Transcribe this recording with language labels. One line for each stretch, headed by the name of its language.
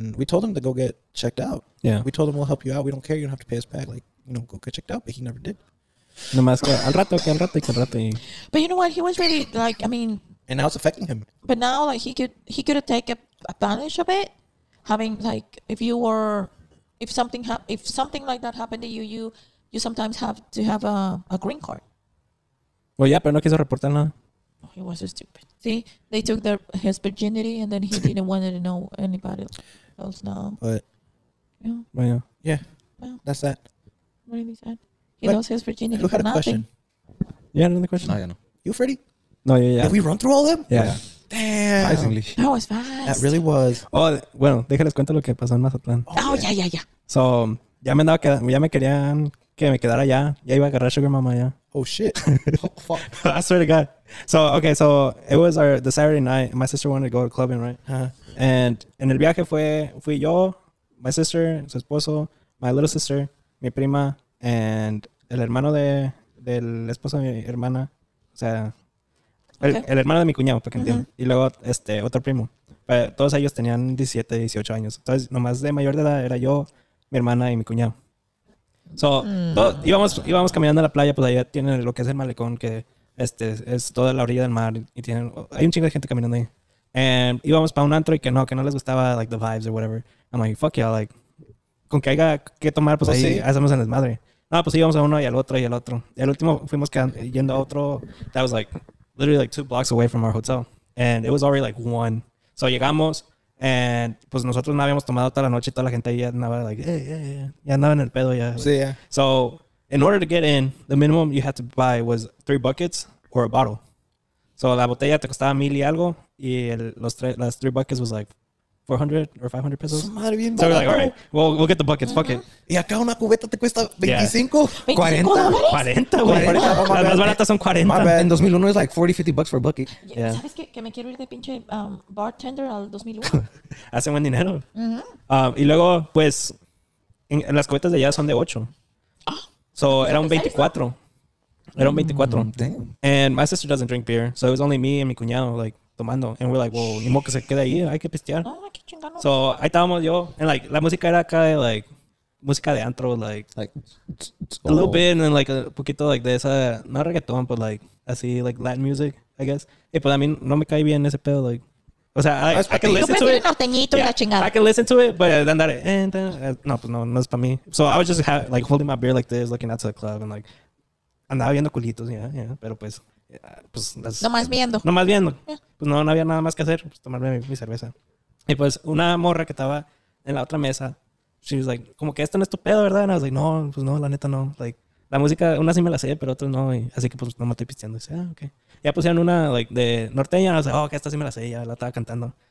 English: And we told him to go get checked out. Yeah. We told him we'll help you out. We don't care. You don't have to pay us back. Like, you know, go get checked out. But he never did.
Spanish: No más que al rato, que al rato, que al rato.
English: But you know what? He was really, like, I mean. And now it's affecting him. But now, like, he could have taken advantage of it. Having, like, if something like that happened to you, you sometimes have to have a green card. Well, yeah,
Spanish: pero no quiso reportar nada.
English: Oh, he was so stupid. See, they took his virginity, and then he didn't want to know anybody else now. But, yeah. Well, yeah. That's that. Really sad. He knows his virginity. Who had a question? You had another question? No, I don't know. You, Freddy? No, yeah. Did we run through all of them? Yeah. Damn. Surprisingly. That was fast. That really was.
Spanish: Oh, bueno, déjales cuento lo que pasó en Mazatlán.
English: Oh, yeah.
Spanish: So, ya me querían que me quedara allá. Ya iba a agarrar Sugar Mama ya.
English: Oh, shit. Oh, fuck. I swear to God. So, okay, so it was the Saturday night. My sister wanted to go to clubbing, right? Uh-huh.
Spanish: And en el viaje fui yo,
English: my sister,
Spanish: su esposo,
English: my little sister,
Spanish: mi prima, and el hermano del esposo de mi hermana. O sea, el hermano de mi cuñado, para que entiendan. Y luego otro primo. Pero todos ellos tenían 17, 18 años. Entonces, nomás de mayor de edad era yo, mi hermana y mi cuñado. So, íbamos caminando a la playa, pues allá tienen lo que es el malecón, que es toda la orilla del mar. Y hay un chingo de gente caminando ahí. And íbamos para un antro y que no les gustaba,
English: like, the vibes or whatever. I'm like, fuck y'all, like,
Spanish: con que haya que tomar, pues ahí hacemos en desmadre. No, pues íbamos a uno y al otro y al otro. El último fuimos yendo a otro.
English: That was like literally like 2 blocks away from our hotel. And it was already like 1. So
Spanish: llegamos and pues nosotros no habíamos tomado toda la noche. Toda la gente ya andaba
English: like, yeah.
Spanish: Ya andaba en el pedo ya. Sí, yeah.
English: So in order to get in, the minimum you had to buy was 3 buckets or a bottle.
Spanish: So la botella te costaba 1,000 y algo y las 3 buckets
English: was like 400 or 500
Spanish: pesos. Madre, bien,
English: so we're like, all right, we'll get the buckets. Uh-huh. Fuck it.
Spanish: Y acá una cubeta te cuesta 25, 40. 40, güey. Las más baratas son 40.
English: My bad.
Spanish: En 2001 es
English: like 40, 50 bucks for a bucket. Yeah.
Spanish: ¿Sabes que me quiero ir de pinche bartender al 2001? Hace buen dinero.
English: Uh-huh.
Spanish: Y luego, pues, en las cubetas de allá son de 8. So era un 24. Era un 24.
English: Damn. And my sister doesn't drink beer, so it was only me and
Spanish: mi cuñado, like, tomando.
English: And we're like, well,
Spanish: ni modo que se quede ahí, hay que pistear. Oh, qué chingado.
English: So
Spanish: ahí estábamos yo,
English: and like,
Spanish: la música era acá de
English: like,
Spanish: música de antro,
English: like a little bit, and then like
Spanish: a poquito
English: like
Spanish: de esa, no reggaeton,
English: but like,
Spanish: así,
English: like Latin music, I guess.
Spanish: Y pues a mí no me cae bien ese pedo, like, o sea,
English: I can listen to it. Yeah, I can listen to it, but then that, and then,
Spanish: no, pues no, no es para mí.
English: So I was just like holding my beer like this, looking out to the club, and like,
Spanish: andaba viendo culitos,
English: yeah,
Spanish: pero pues. Pues, No más viendo. Pues no había nada más que hacer, pues tomarme mi cerveza. Y pues una morra que estaba en la otra mesa,
English: she was like,
Spanish: como que esto no es tu pedo, ¿verdad?
English: And I was like,
Spanish: no, pues no, la neta no. Like, la música, una sí me la sé, pero otra no. Y así que pues no me estoy pisteando. Y dice, ah, ok. Ya pusieron una like, de norteña. Y
English: I was like, oh,
Spanish: que esta sí me la sé, ya la estaba cantando.